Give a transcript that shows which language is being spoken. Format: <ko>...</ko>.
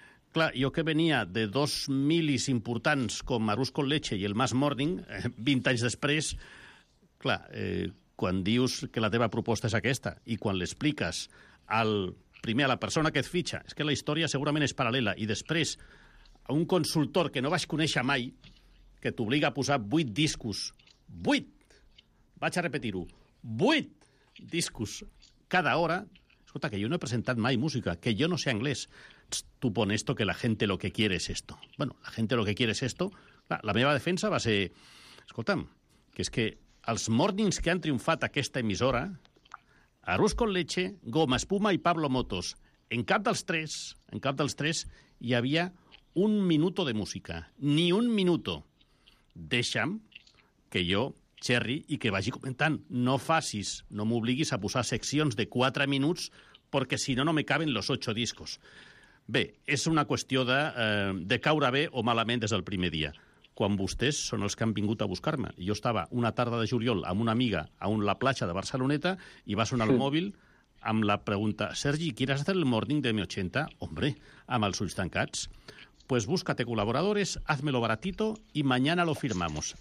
<ca>Clar, jo que venia de dos milis importants com Arús con Leche i el Mass Morning, 20 anys després, clar, quan dius que la teva proposta és aquesta i quan l'expliques primer a la persona que et fitxa, és que la història segurament és paral·lela, i després a un consultor que no vaig conèixer mai, que t'obliga a posar 8 discos, 8 vaig a repetir-ho, 8 discos cada hora. Escolta, que jo no he presentat mai música, que jo no sé anglès.</ca> <es>Tu pon esto, que la gente lo que quiere es esto. Bueno, la gente lo que quiere es esto.</es> <ca>La meva defensa va ser... Escolta'm, que és que els mornings que han triomfat aquesta emissora, Arroz con Leche, Goma Espuma i Pablo Motos, en cap dels tres hi havia</ca> <es>un minuto</es> <ca>de música.</ca> <es>Ni un minuto.</es> <ca>Deixa'm que jo xerri i que vagi comentant. No facis, no m'obliguis a posar seccions de 4 minuts perquè si no,</ca> <es>no me caben los 8 discos.</es> <ca>Bé, és una qüestió de caure bé o malament des del primer dia. Quan vostès són els que han vingut a buscar-me. Jo estava una tarda de juliol amb una amiga a la platja de Barceloneta i va sonar el mòbil amb la pregunta: Sergi,</ca> <es>¿quieres hacer el morning de M80?</es> <ca>Hombre, amb els ulls tancats.</ca> <es>Pues búscate colaboradores, házmelo baratito y mañana lo firmamos.</es>